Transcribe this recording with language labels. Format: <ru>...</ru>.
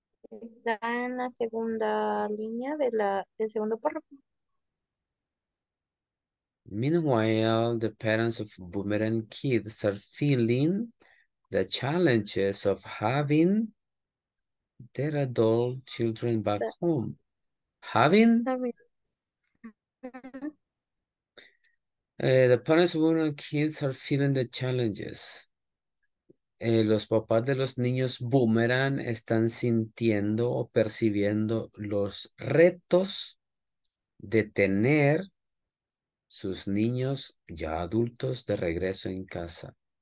<es>Está en la segunda línea de la del segundo párrafo.</es> <en>Meanwhile, the parents of boomerang kids are feeling the challenges of having their adult children back home. Having? The parents of boomerang kids are feeling the challenges.</en> <es>Los papás de los niños boomerang están sintiendo o percibiendo los retos de tener sus niños ya adultos de regreso en casa.</es>